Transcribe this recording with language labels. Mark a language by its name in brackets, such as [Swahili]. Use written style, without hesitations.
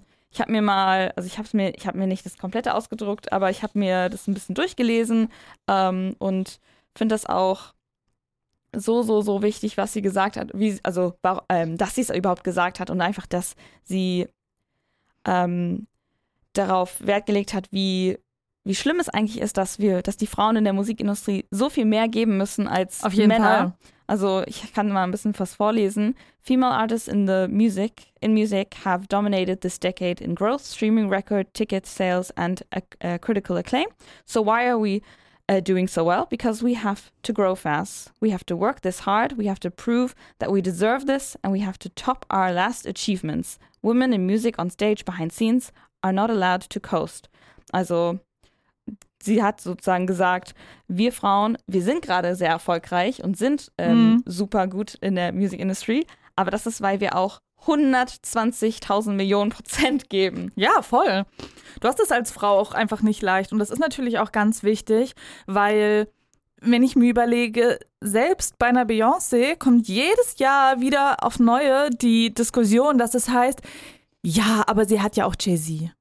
[German] Ich habe mir nicht das komplette ausgedruckt, aber ich habe mir das ein bisschen durchgelesen und finde das auch so wichtig, was sie gesagt hat, dass sie es überhaupt gesagt hat und einfach, dass sie darauf Wert gelegt hat, wie schlimm es eigentlich ist, dass die Frauen in der Musikindustrie so viel mehr geben müssen als auf jeden Männer. Fall. Also ich kann mal ein bisschen was vorlesen. [English] Female artists in music have dominated this decade in growth, streaming record, ticket sales and critical acclaim. So why are we doing so well? Because we have to grow fast. We have to work this hard. We have to prove that we deserve this and we have to top our last achievements. Women in music on stage behind scenes are not allowed to coast. [German] Also sie hat sozusagen gesagt, wir Frauen, wir sind gerade sehr erfolgreich und sind super gut in der Music Industry, aber das ist, weil wir auch 120.000 Millionen Prozent geben. Ja, voll. Du hast es als Frau auch einfach nicht leicht und das ist natürlich auch ganz wichtig, weil wenn ich mir überlege, selbst bei einer Beyoncé kommt jedes Jahr wieder auf neue die Diskussion, dass es heißt, ja, aber sie hat ja auch Jay-Z.